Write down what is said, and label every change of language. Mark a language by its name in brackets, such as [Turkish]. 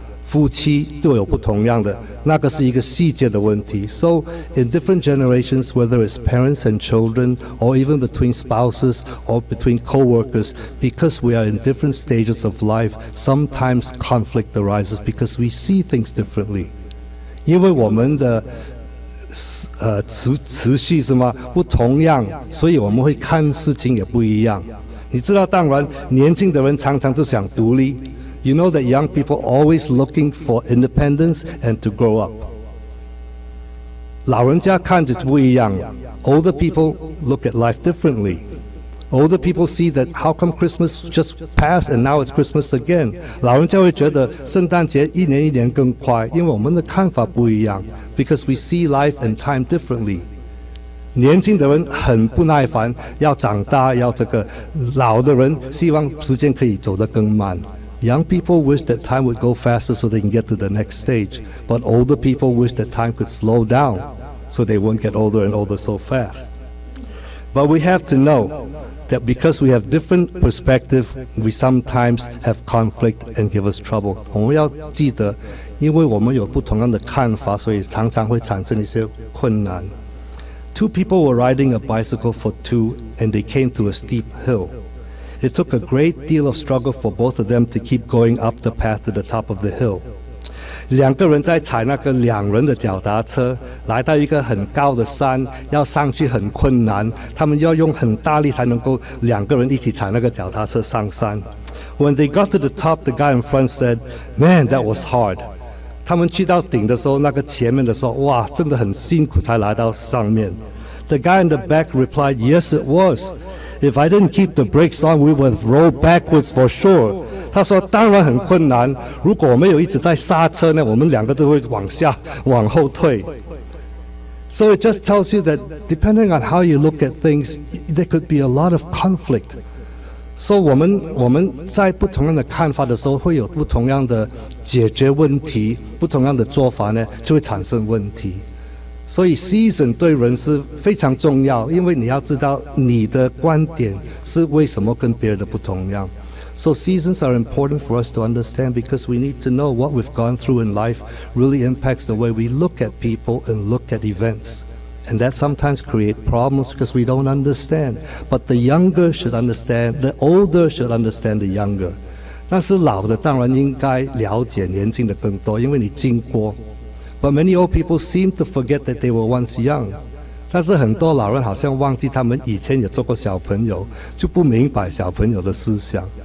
[Chinese] 夫妻都有不同样的，那个是一个细节的问题。 [English] So in different generations, whether it's parents and children, or even between spouses or between co-workers, because we are in different stages of life, sometimes conflict arises because we see things differently. [Chinese] 因为我们的持续是吗？不同样，所以我们会看事情也不一样。你知道，当然年轻的人常常都想独立。 [English] You know that young people always looking for independence and to grow up. [Chinese] 老人家看着不一样了。 [English] Older people look at life differently. Older people see that how come Christmas just passed and now it's Christmas again. [Chinese] 老人家会觉得圣诞节一年一年更快，因为我们的看法不一样。 [English] Because we see life and time differently. [Chinese] 年轻的人很不耐烦，要长大，要这个。老的人希望时间可以走得更慢。 [English] Young people wish that time would go faster so they can get to the next stage. But older people wish that time could slow down so they won't get older and older so fast. But we have to know that because we have different perspectives, we sometimes have conflict and give us trouble. [Chinese] 我们要记得，因为我们有不同样的看法，所以常常会产生一些困难。 [English] Two people were riding a bicycle for two, and they came to a steep hill. It took a great deal of struggle for both of them to keep going up the path to the top of the hill. [Chinese] 两个人在踩那个两人的脚踏车，来到一个很高的山，要上去很困难。他们要用很大力才能够两个人一起踩那个脚踏车上山。 [English] When they got to the top, the guy in front said, "Man, that was hard." [Chinese] 他们去到顶的时候，那个前面的说，哇，真的很辛苦才来到上面。 [English] The guy in the back replied, "Yes, it was." If I didn't keep the brakes on, we would roll backwards for sure. [Chinese] 他说当然很困难，如果我没有一直在刹车呢，我们两个都会往下往后退。 [English] So it just tells you that depending on how you look at things, there could be a lot of conflict. [Chinese] So 我们在不同样的看法的时候，会有不同样的解决问题，不同样的做法呢，就会产生问题。所以 season 对人是非常重要，因为你要知道你的观点是为什么跟别人的不同样。 [English] So seasons are important for us to understand because we need to know what we've gone through in life really impacts the way we look at people and look at events. And that sometimes create problems because we don't understand. But the younger should understand, the older should understand the younger. [Chinese] 但是老的当然应该了解年轻的更多，因为你经过。 [English] But many old people seem to forget that they were once young. [Chinese] 但是很多老人好像忘记他们以前也做过小朋友，就不明白小朋友的思想。